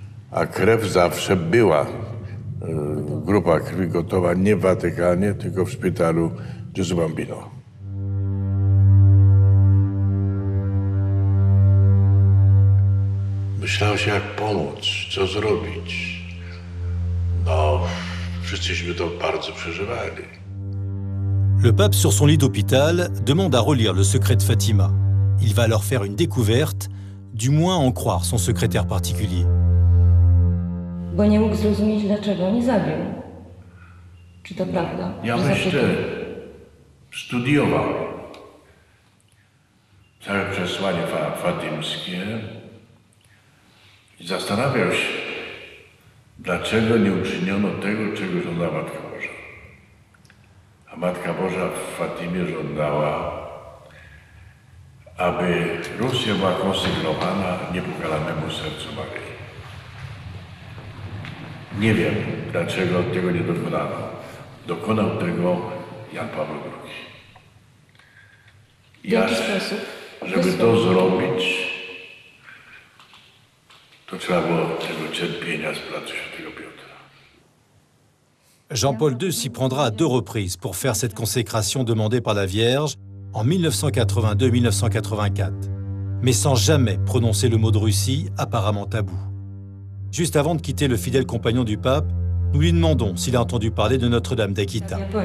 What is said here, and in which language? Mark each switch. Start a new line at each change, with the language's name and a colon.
Polish: A krew zawsze była, grupa krwi gotowa, nie w Watykanie, tylko w szpitalu Gesù Bambino. Myślałem się, jak pomóc, co zrobić. No, wszyscyśmy to bardzo przeżywali.
French: Le pape, sur son lit d'hôpital, demande à relire le secret de Fatima. Il va alors faire une découverte, du moins en croire son secrétaire particulier.
Polish: Bo nie mógł zrozumieć, dlaczego nie zabił. Czy to prawda? Ja jeszcze studiował całe przesłanie fatimskie i zastanawiał się, dlaczego nie uczyniono tego, czego żądała Matka Boża. A Matka Boża w Fatimie żądała, aby Rosja była konsygnowana niepokalanemu sercu Maryi. Nie wiem, dlaczego tego nie dokonano. Dokonał tego Jan Paweł II. W jaki sposób? Żeby to zrobić, to trzeba było tego cierpienia z pracy świętego Piotra.
French: Jean-Paul II s'y prendra à deux reprises pour faire cette consécration demandée par la Vierge en 1982-1984, mais sans jamais prononcer le mot de Russie, apparemment tabou. Juste avant de quitter le fidèle compagnon du pape, nous lui demandons s'il a entendu parler de Notre-Dame d'Akita.